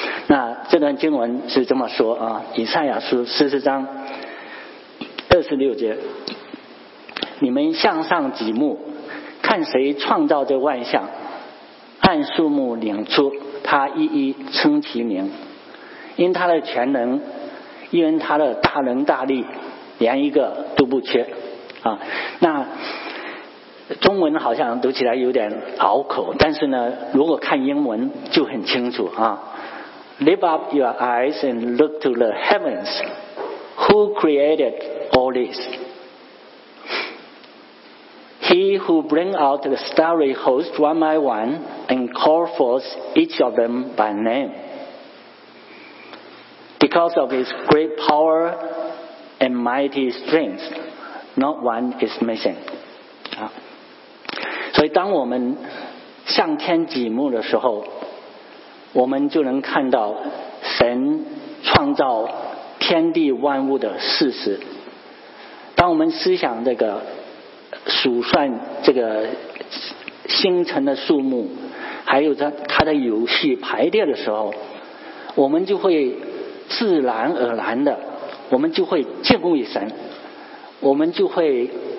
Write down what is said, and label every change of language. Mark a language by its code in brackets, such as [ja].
[zh] 那这段经文是这么说啊，以赛亚书四十章二十六节，你们向上举目，看谁创造这万象，按数目领出，他一一称其名，因他的全能，因他的大能大力，连一个都不缺啊。那中文好像读起来有点拗口，但是呢，如果看英文就很清楚啊。 [en] Lift up your eyes and look to the heavens. Who created all this? He who bring out the starry host one by one and call forth each of them by name. Because of his great power and mighty strength, not one is missing. [zh] 啊，所以当我们向天举目的时候，我们就能看到神创造天地万物的事实。当我们思想这个数算这个星辰的数目，还有它的有序排列的时候，我们就会自然而然的，我们就会敬畏神，我们就会